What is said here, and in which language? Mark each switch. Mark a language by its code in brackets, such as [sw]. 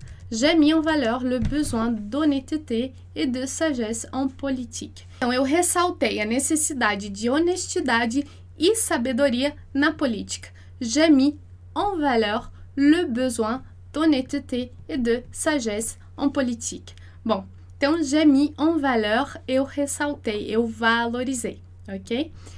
[fr] J'ai mis en valeur le besoin d'honnêteté et de sagesse en politique. [pt] Então, eu ressaltei a necessidade de honestidade e sabedoria na política. [fr] J'ai mis en valeur le besoin d'honnêteté et de sagesse en politique. [pt] Bom, então, [fr] j'ai mis en valeur, [pt] eu ressaltei, eu valorizei, ok?